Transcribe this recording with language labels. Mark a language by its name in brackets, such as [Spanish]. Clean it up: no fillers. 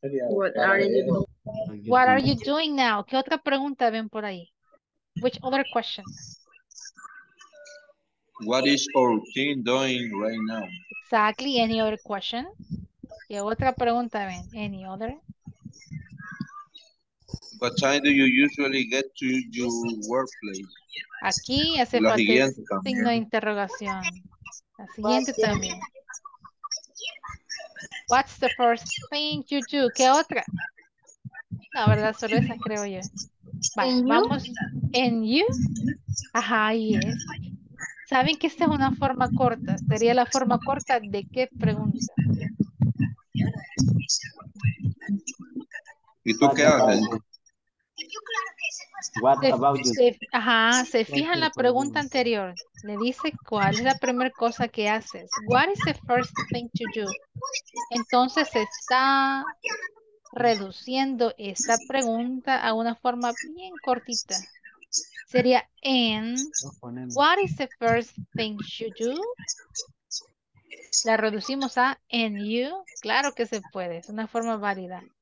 [English] What are you doing now? [Spanish] ¿Qué otra pregunta ven por ahí? [English] Which other question? What is our team doing right now? Exactly. Any other question? [Spanish] ¿Qué otra pregunta ven? [English] Any other? What time do you usually get to your workplace? [Spanish] Aquí hace la parte del signo de interrogación. La siguiente también. [English] What's the first thing you do? [Spanish] ¿Qué otra? La verdad, solo esa creo yo. Bye, vamos. [English] And you? [Spanish] Ajá, y es. ¿Saben que esta es una forma corta? Sería la forma corta de qué pregunta. ¿Y tú qué haces? [English] What about you? [Spanish] Ajá, se fija en la pregunta anterior. Le dice cuál es la primera cosa que haces. [English] What is the first thing to do? [Spanish] Entonces se está reduciendo esta pregunta a una forma bien cortita. Sería [English] and what is the first thing you do? [Spanish] La reducimos a [English] and you. [Spanish] Claro que se puede, es una forma válida.